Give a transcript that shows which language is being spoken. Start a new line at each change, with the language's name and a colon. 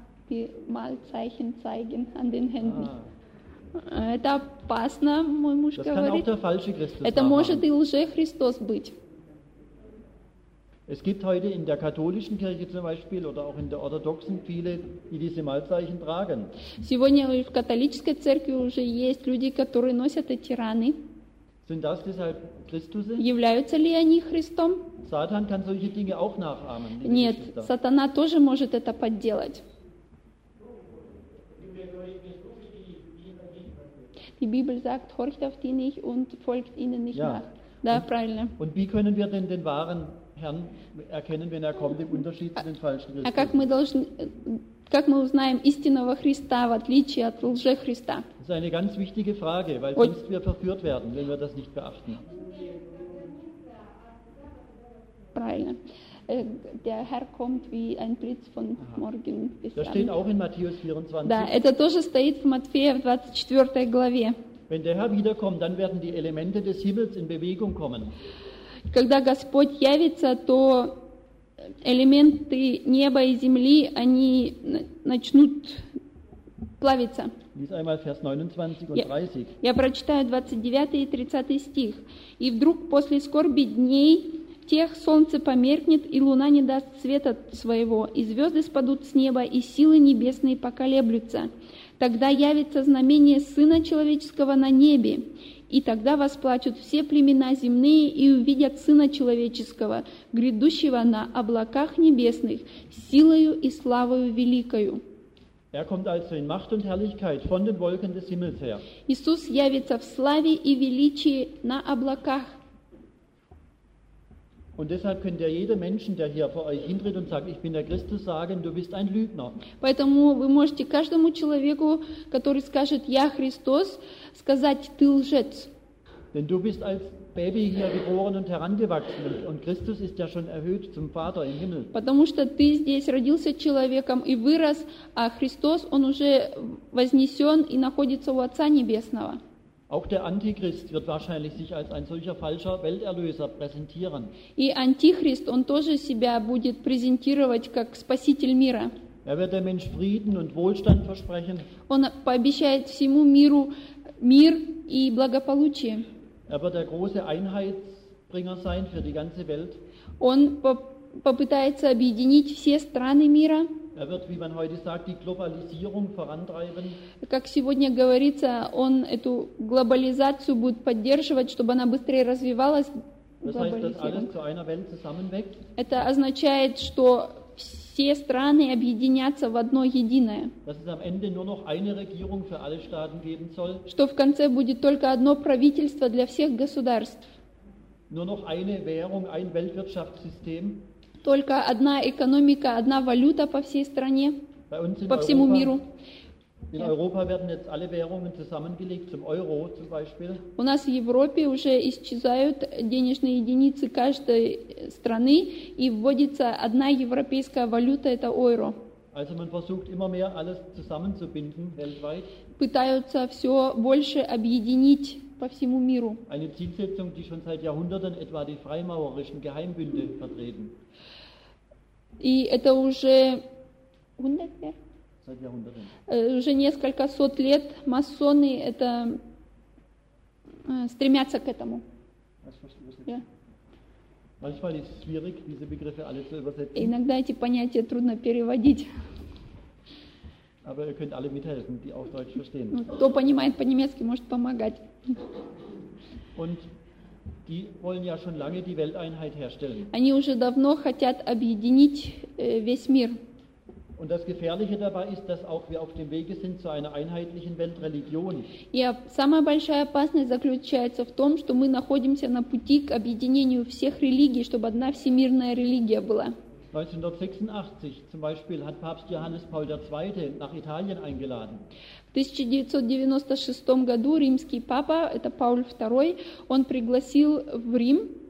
German: Die Malzeichen zeigen an den Händen.
Russian: Ah. Это опасно, мой муж
German: das
Russian: говорит.
German: Das kann auch der falsche Christus sein.
Russian: Это может и лжехристос быть.
German: Es gibt heute in der katholischen Kirche zum Beispiel oder auch in der orthodoxen viele, die diese Malzeichen tragen.
Russian: Сегодня в католической церкви уже есть люди, которые носят эти раны.
German: Sind das deshalb Christusse?
Russian: Являются ли они Христом?
German: Satan kann solche Dinge auch nachahmen.
Russian: Нет, Сатана тоже может это подделать.
German: Die Bibel sagt, horcht auf die nicht und folgt ihnen nicht ja. nach.
Russian: Da, правильно.
German: Und wie können wir denn den wahren Herrn erkennen, wenn er kommt, im Unterschied zu den falschen Christen?
Russian: Как мы узнаем истинного Христа в отличие от лжехриста?
German: Das ist eine ganz wichtige Frage, weil sonst wir verführt werden, wenn wir das nicht beachten.
Russian: Правильно.
German: Der Herr kommt wie ein Blitz von morgen bis abends. Das steht auch in Matthäus 24.
Russian: Да, это тоже стоит в Матфея 24 главе.
German: Wenn der Herr wiederkommt, dann werden die Elemente des Himmels in Bewegung kommen.
Russian: Когда Господь явится, то элементы неба и земли, они начнут плавиться.
German: Lies einmal Vers 29 und 30.
Russian: Я прочитаю 29 и 30 стих. И вдруг после скорби дней тех солнце померкнет, и луна не даст света своего, и звезды спадут с неба, и силы небесные поколеблются. Тогда явится знамение Сына Человеческого на небе, и тогда восплачут все племена земные и увидят Сына Человеческого, грядущего на облаках небесных, силою и славою великою.
German: Er kommt also in Macht und Herrlichkeit von den Wolken des Himmels her.
Russian: Иисус явится в славе и величии на облаках.
German: Und deshalb könnt ihr jeder Menschen, der hier vor euch hintritt und sagt, ich bin der Christus, sagen, du bist ein Lügner.
Russian: Поэтому вы можете каждому человеку, который скажет, я Христос, сказать, ты лжец.
German: Denn du bist als Baby hier geboren und herangewachsen und Christus ist ja schon erhöht zum Vater im Himmel.
Russian: Потому что ты здесь родился человеком и вырос, а Христос, он уже вознесён и находится у Отца небесного.
German: Auch der Antichrist wird wahrscheinlich sich als ein solcher falscher Welterlöser präsentieren.
Russian: И Антихрист, он тоже себя будет презентировать как спаситель мира.
German: Er wird dem Mensch Frieden und Wohlstand versprechen.
Russian: Он пообещает всему миру мир и благополучие.
German: Er wird der große Einheitsbringer sein für die ganze Welt.
Russian: Он попытается объединить все страны мира.
German: Er wird, wie man heute sagt, die Globalisierung vorantreiben.
Russian: Как сегодня говорится, он эту глобализацию будет поддерживать, чтобы она быстрее развивалась.
German: Das heißt, dass alles zu einer Welt zusammenwächst.
Russian: Это означает, что все страны объединятся в одно единое.
German: Dass es am Ende nur noch eine Regierung für alle Staaten geben soll.
Russian: Что в конце будет только одно правительство для всех государств.
German: Nur noch eine Währung, ein Weltwirtschaftssystem.
Russian: Только одна экономика, одна валюта по всей стране, по всему миру.
German: In Europa werden jetzt alle Währungen zusammengelegt, zum Euro zum Beispiel.
Russian: У нас в Европе уже исчезают денежные единицы каждой страны и вводится одна европейская валюта, это евро.
German: Also man versucht immer mehr alles zusammenzubinden weltweit.
Russian: Пытаются все больше объединить. По всему миру.
German: Eine Zielsetzung, die schon seit Jahrhunderten etwa die freimaurerischen Geheimbünde vertreten.
Russian: И это уже 100 лет?
German: Seit Jahrhunderten.
Russian: Уже несколько сот лет масоны это стремятся к этому.
English: Yeah.
German: Manchmal ist es schwierig, diese Begriffe alle zu übersetzen.
Russian: Иногда эти понятия трудно переводить.
German: Aber ihr könnt alle mithelfen, die auch Deutsch verstehen.
Russian: Кто понимает по-немецки, может помогать.
German: Und die wollen ja schon lange die Welteinheit herstellen.
Russian: Они уже давно хотят объединить весь мир.
German: Und das Gefährliche dabei ist, dass auch wir auf dem Wege sind zu einer einheitlichen Weltreligion.
Russian: И самая большая опасность заключается в том, что мы находимся на пути к объединению всех религий, чтобы одна всемирная религия была.
German: 1986 zum Beispiel hat Papst Johannes Paul II. Nach Italien eingeladen.
Russian: В 1996 году римский папа, это Паул II, он пригласил в Рим.